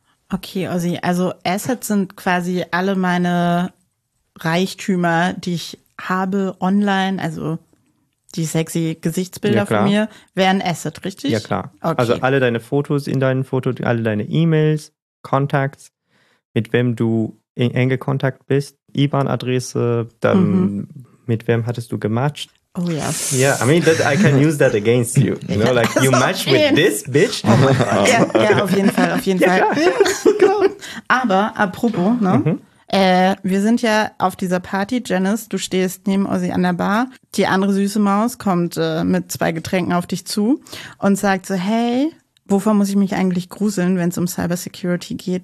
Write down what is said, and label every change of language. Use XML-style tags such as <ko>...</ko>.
<de>Okay, Ozzy, also Assets sind quasi alle meine Reichtümer, die ich habe online, also die sexy Gesichtsbilder, ja, von mir, wären Asset, richtig? Ja, klar. Okay. Also alle deine Fotos in deinen Fotos, alle deine E-Mails, Kontakte, mit wem du in enge Kontakt bist, IBAN-Adresse, dann mit wem hattest du gematcht? Oh ja.</de> <en>Yeah, I mean, that I can use that against you. You know, like, you match with this bitch.</en> <de>Ja, auf jeden Fall, auf jeden Fall. Aber apropos, ne? Wir sind ja auf dieser Party, Janice, du stehst neben Ozzy an der Bar. Die andere süße Maus kommt mit zwei Getränken auf dich zu und sagt so, hey, wovor muss ich mich eigentlich gruseln, wenn es um Cybersecurity geht?</de>